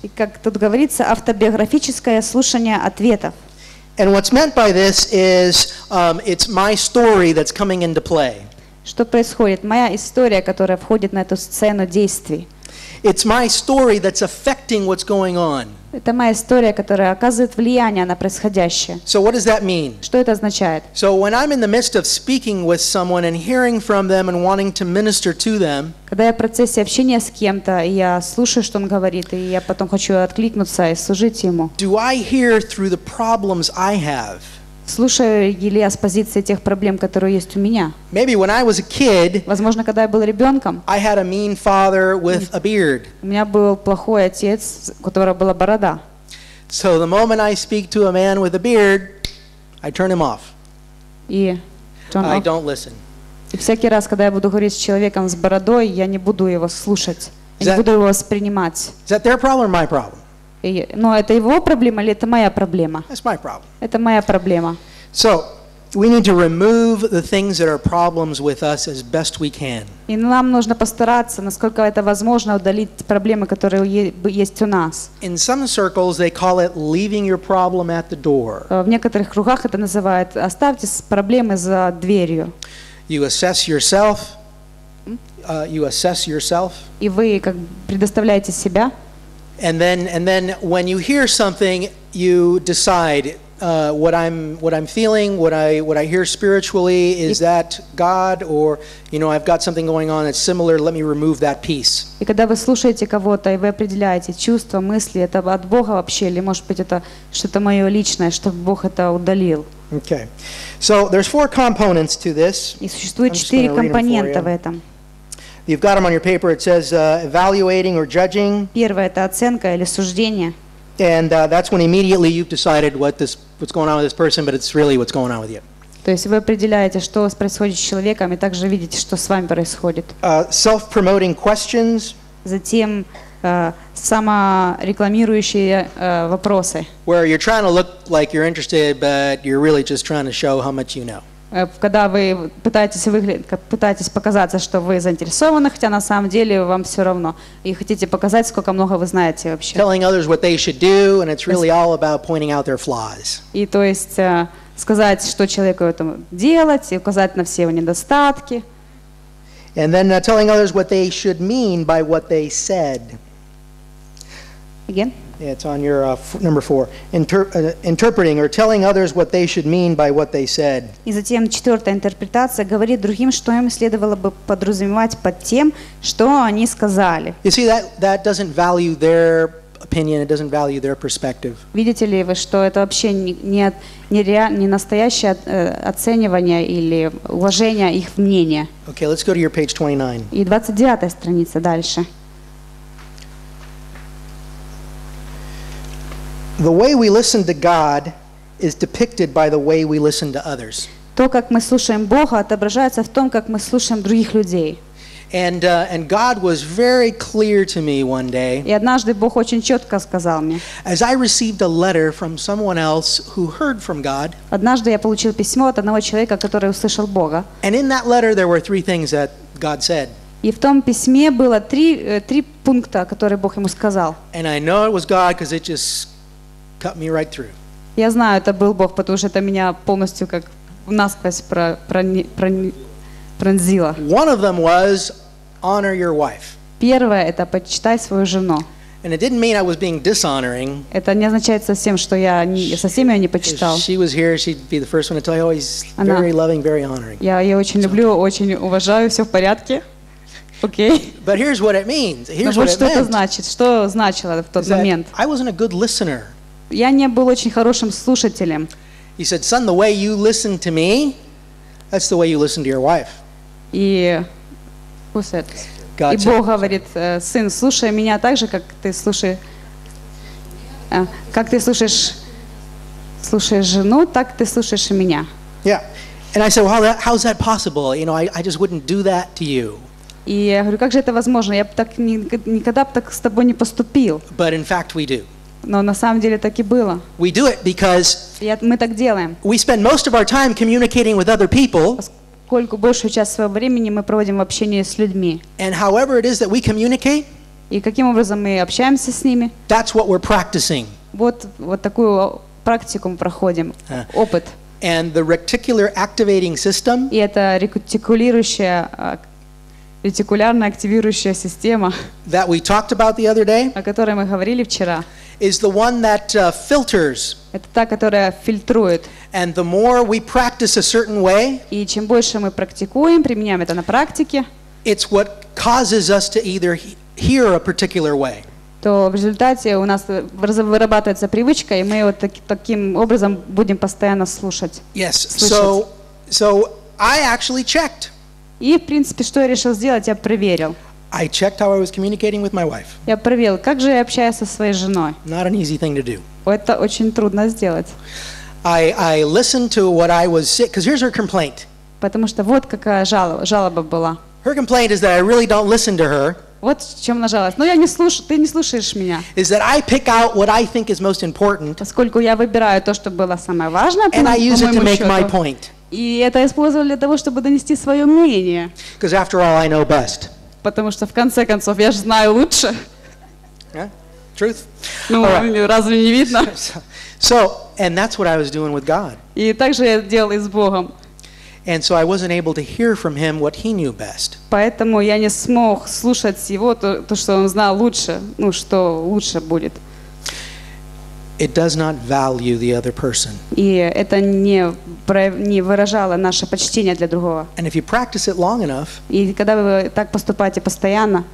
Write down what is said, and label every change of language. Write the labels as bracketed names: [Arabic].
[Russian] И как тут говорится, автобиографическое слушание ответов. [English] And what's meant by this is it's my story that's coming into play. [Russian] Что происходит? Моя история, которая входит на эту сцену действий. [English] It's my story that's affecting what's going on. [Russian] Это моя история, которая оказывает влияние на происходящее. [English] So what does that mean? [Russian] Что это означает? [English] So when I'm in the midst of speaking with someone and hearing from them and wanting to minister to them. [Russian] Когда я в процессе общения с кем-то, и я слушаю, что он говорит, и я потом хочу откликнуться и служить ему. [English] Do I hear through the problems I have? [Russian] Слушаю ли я с позиции тех проблем, которые есть у меня? [English] Maybe when I was a kid, [Russian] возможно, когда я был ребенком, [English] I had a mean father with a beard. [Russian] У меня был плохой отец, у которого была борода. [English] So the moment I speak to a man with a beard, I turn him off. [Russian] И [English] I don't listen. [Russian] И всякий раз, когда я буду говорить с человеком с бородой, я не буду его слушать. Я не буду его воспринимать. [English] Is that their problem or my problem? [Russian] Но это его проблема или это моя проблема? [English] That's my problem. [Russian] Это моя проблема. [English] So, we need to remove the things that are problems with us as best we can. [Russian] И нам нужно постараться, насколько это возможно, удалить проблемы, которые есть у нас. [English] In some circles, they call it leaving your problem at the door. [Russian] В некоторых кругах это называют оставьте проблемы за дверью. [English] You assess yourself. You assess yourself. [Russian] И вы как предоставляете себя. [English] And then when you hear something, you decide what I'm feeling, what I hear spiritually, is that God, or you know, I've got something going on that's similar. Let me remove that piece. [Russian] И когда вы слушаете кого-то и вы определяете чувства, мысли, это от Бога вообще или может быть это что-то мое личное, чтобы Бог это удалил. [English] Okay, so there's four components to this. [Russian] И существует четыре компонента в этом. [English] You've got them on your paper. It says evaluating or judging. [Russian] Первое это оценка или суждение. [English] And that's when immediately you've decided what's going on with this person, but it's really what's going on with you. [Russian] То есть вы определяете, что происходит с человеком, и также видите, что с вами происходит. [English] Self-promoting questions. [Russian] Затем саморекламирующие вопросы. [English] Where you're trying to look like you're interested, but you're really just trying to show how much you know. [Russian] Когда вы пытаетесь показаться, что вы заинтересованы, хотя на самом деле вам все равно, и хотите показать, сколько много вы знаете вообще. [English] Telling others what they should do, and it's really all about pointing out their flaws. [Russian] И то есть сказать, что человеку этому делать, и указать на все его недостатки. [English] And then telling others what they should mean by what they said. Again? Yeah, it's on your number four. Interpreting or telling others what they should mean by what they said. [Russian] И затем четвертая интерпретация говорит другим, что им следовало бы подразумевать под тем, что они сказали. [English] You see, that doesn't value their opinion. It doesn't value their perspective. [Russian] Видите ли вы, что это вообще не настоящее оценивание или уважение их мнения? [English] Okay, let's go to your page 29. [Russian] И 29-я страница дальше. [English] The way we listen to God is depicted by the way we listen to others. [Russian] То, как мы слушаем Бога, отображается в том, как мы слушаем других людей. [English] And God was very clear to me one day. [Russian] И однажды Бог очень четко сказал мне. [English] As I received a letter from someone else who heard from God. [Russian] Однажды я получил письмо от одного человека, который услышал Бога. [English] And in that letter there were three things that God said. [Russian] И в том письме было три пункта, которые Бог ему сказал. [English] And I know it was God because it just cut me right through. [Russian] Я знаю, это был Бог, потому что это меня полностью как насквозь пронзило. [English] One of them was honor your wife. [Russian] Первое это почитай свою жену. [English] And it didn't mean I was being dishonoring. [Russian] Это не означает совсем, что я не совсем её не почитал. [English] She was here, she'd be the first one to tell you, oh, he's very loving, very honoring. [Russian] Я её очень люблю, очень уважаю, всё в порядке. [English] Okay. But here's what it means. Here's what it meant. [Russian] Что это значит? Что значило в тот момент? [English] I wasn't a good listener. [Russian] Я не был очень хорошим слушателем. [English] He said, "Son, the way you listen to me, that's the way you listen to your wife." [Russian] И [English] who said? God said. [Russian] И Бог говорит, сын, слушай меня так же, как ты слушаешь жену, так ты слушаешь и меня. [English] Yeah, and I said, "Well, how's that possible? You know, I just wouldn't do that to you." [Russian] И я говорю, как же это возможно? Я бы так никогда бы так с тобой не поступил. [English] But in fact, we do. [Russian] Но на самом деле так и было. [English] We do it because [Russian] мы так делаем. [English] We spend most of our time communicating with other people. [Russian] Поскольку большую часть своего времени мы проводим в общении с людьми. [English] And however it is that we communicate. [Russian] И каким образом мы общаемся с ними. [English] That's what we're practicing. [Russian] Вот такую практику мы проходим. Опыт. [English] And the reticular activating system. [Russian] И это ретикулярная активирующая система. [English] That we talked about the other day. [Russian] О которой мы говорили вчера. [English] Is the one that filters. [Russian] Это та, которая фильтрует. [English] And the more we practice a certain way, [Russian] и чем больше мы практикуем, применяем это на практике, [English] it's what causes us to either hear a particular way. [Russian] То в результате у нас вырабатывается привычка, и мы вот таким образом будем постоянно слушать. [English] Yes. So I actually checked. [Russian] И в принципе, что я решил сделать, я проверил. [English] I checked how I was communicating with my wife. [Russian] Я проверил, как же я общаюсь со своей женой. [English] Not an easy thing to do. [Russian] Это очень трудно сделать. [English] I listened to what I was saying, because here's her complaint. [Russian] Потому что вот какая жалоба была. [English] Her complaint is that I really don't listen to her. [Russian] Вот в чем она жаловалась. Ну, ты не слушаешь меня. [English] Is that I pick out what I think is most important. [Russian] Поскольку я выбираю то, что было самое важное, по-моему, счету. [English] And I use it to make my point. [Russian] И это использовали для того, чтобы донести свое мнение. [English] Because after all, I know best. [Russian] Потому что в конце концов я же знаю лучше. [English] Yeah, truth. [Russian] Ну, [English] right. [Russian] Разве не видно? [English] So, and that's what I was doing with God. [Russian] И также я делал и с Богом. [English] And so I wasn't able to hear from him what he knew best. [Russian] Поэтому я не смог слушать его то, что он знал лучше, ну что лучше будет. [English] It does not value the other person. [Russian] И это не выражало наше почтение для другого. [English] And if you practice it long enough, [Russian] и когда вы так поступаете постоянно,